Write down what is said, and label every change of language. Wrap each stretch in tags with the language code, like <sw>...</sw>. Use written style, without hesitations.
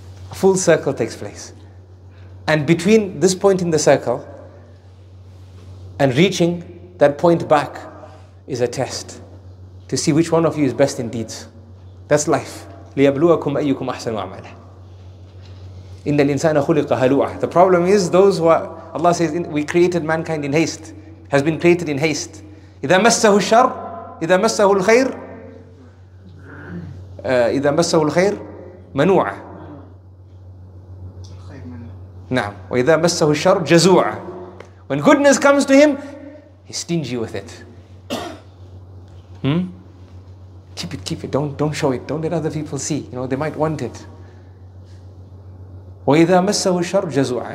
<en>A full circle takes place. And between this point in the circle and reaching that point back is a test to see which one of you is best in deeds. That's life.</en> <ar>لِيَبْلُوَكُمْ أَيُّكُمْ أَحْسَنُ عَمَلًا إِنَّ الْإِنسَانَ خُلِقَ هَلُوعًا.</ar> <en>The problem is those who are, Allah says, we created mankind in haste, has been created in haste.</en> <ar>إِذَا مَسَّهُ الشَّرْ إِذَا مَسَّهُ الْخَيْرْ إِذَا مَسَّهُ الْخَيْرْ مَنُوعًا. نعم. وإذا مسه الشر جزوع.</ar> <en>When goodness comes to him, he's stingy with it. Keep it. Don't show it. Don't let other people see. You know, they might want it.</en> <ar>وإذا مسه الشر جزوع.</ar>